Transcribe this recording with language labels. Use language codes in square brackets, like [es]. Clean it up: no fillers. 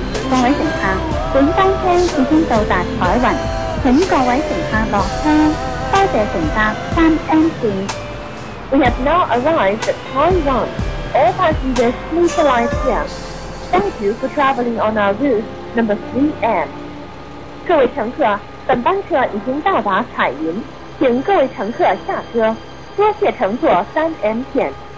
[yue] 各位乘客，本班车已经到达彩云，请各位乘客落车，多谢乘搭三 M 线。 [en] We have now arrived at Taiwan. All passengers, please alight here. Thank you for traveling on our route number 3M. [yue] 各位乘客，本班车已经到达彩云，请各位乘客下车，多谢乘坐三 M 线。